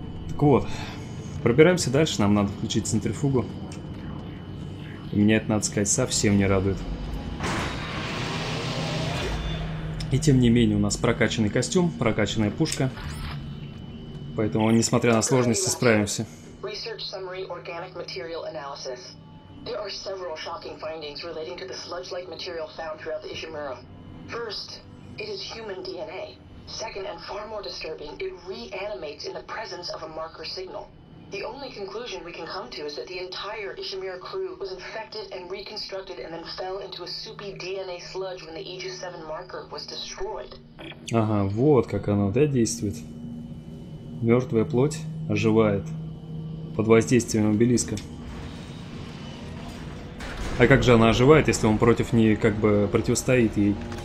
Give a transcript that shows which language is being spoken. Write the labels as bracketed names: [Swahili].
[Russian] Так вот, пробираемся дальше, нам надо включить центрифугу. И меня это, надо сказать, совсем не радует. И тем не менее, у нас прокачанный костюм, прокачанная пушка. Поэтому, несмотря на сложности, справимся. [English] Research summary organic material analysis. There are several shocking findings relating to the sludge-like material found throughout the Ishimura. First, it is human DNA. Second, and far more disturbing, it reanimates in the presence of a marker signal. The only conclusion we can come to is that the entire Ishimura crew was infected and reconstructed and then fell into a soupy DNA sludge when the Aegis 7 marker was destroyed. [Russian] Ага, вот как оно, да, действует. Мертвая плоть оживает под воздействием обелиска. А как же она оживает, если он против нее как бы противостоит ей?